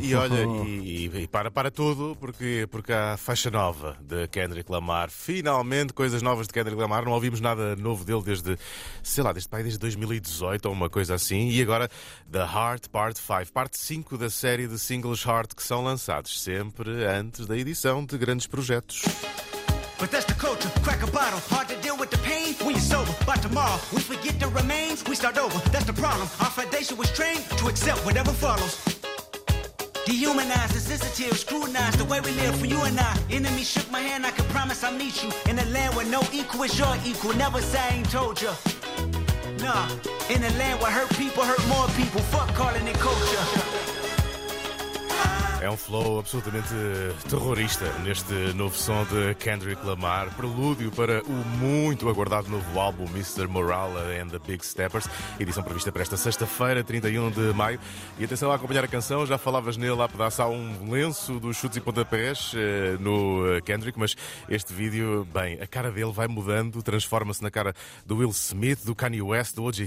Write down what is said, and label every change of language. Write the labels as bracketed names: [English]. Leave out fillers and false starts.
[Portuguese] E olha, e para tudo, porque há faixa nova de Kendrick Lamar. Finalmente, coisas novas de Kendrick Lamar. Não ouvimos nada novo dele desde, sei lá, desde 2018 ou uma coisa assim. E agora, The Heart Part 5, parte 5 da série de singles Heart, que são lançados sempre antes da edição de grandes projetos. [English] But that's the culture, crack a bottle, hard to deal with the pain. When you're sober, by tomorrow, we forget the remains. We start over, that's the problem. Our foundation was trained to accept whatever follows. Dehumanized, insensitive, scrutinized the way we live for you and I. Enemy shook my hand, I can promise I'll meet you in a land where no equal is your equal. Never say I ain't told ya. Nah, in a land where hurt people hurt more people. Fuck calling it culture. [Portuguese] É um flow absolutamente terrorista neste novo som de Kendrick Lamar, prelúdio para o muito aguardado novo álbum Mr. Morale and the Big Steppers, edição prevista para esta sexta-feira, 31 de maio. E atenção a acompanhar a canção, já falavas nele, há pedaço, há um lenço dos chutes e pontapés no Kendrick, mas este vídeo, bem, a cara dele vai mudando, transforma-se na cara do Will Smith, do Kanye West, do O.J.